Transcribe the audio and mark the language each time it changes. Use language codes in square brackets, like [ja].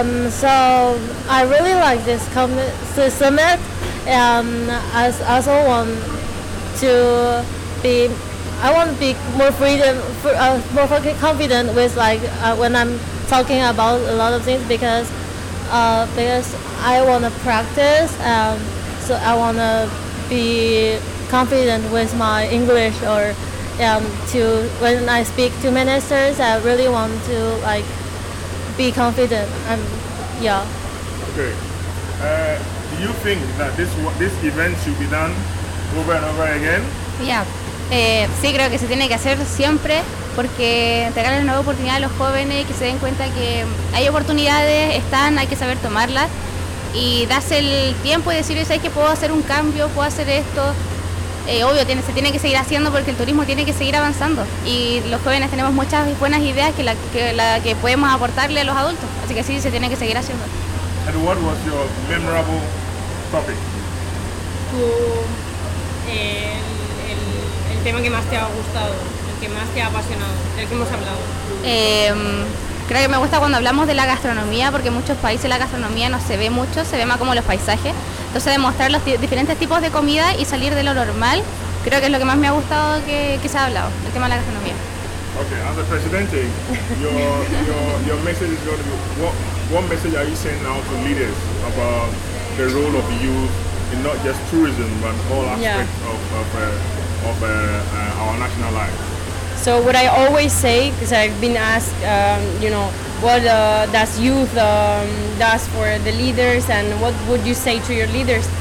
[en] So I really like this summit, and I also want to be, I want to be more freedom, more fucking confident with like when I'm talking about a lot of things because I want to practice, so I want to be confident with my English or to when I speak to ministers, I really want to like be confident. Yeah. Okay. Do you think that this event should be done over and over again? Yeah. [es] Sí, creo que se tiene que hacer siempre porque te dan la nueva oportunidad a los jóvenes que se den cuenta que hay oportunidades, están, hay que saber tomarlas y darse el tiempo y decirles, ¿sabes qué? Puedo hacer un cambio, puedo hacer esto. Obvio, se tiene que seguir haciendo porque el turismo tiene que seguir avanzando y los jóvenes tenemos muchas buenas ideas que podemos aportarle a los adultos, así que sí, se tiene que seguir haciendo. [en] And what was your memorable topic? [es] El tema que más te ha gustado, el que más te ha apasionado, del que hemos hablado. Creo que me gusta cuando hablamos de la gastronomía, porque en muchos países la gastronomía no se ve mucho, se ve más como los paisajes. Entonces demostrar los diferentes tipos de comida y salir de lo normal, creo que es lo que más me ha gustado que se ha hablado, el tema de la gastronomía. [en] Okay, as the president, your message is going to be, what message are you saying now to leaders about the role of youth in not just tourism, but all aspects of our national life? So what I always say, because I've been asked, what does youth does for the leaders, and what would you say to your leaders?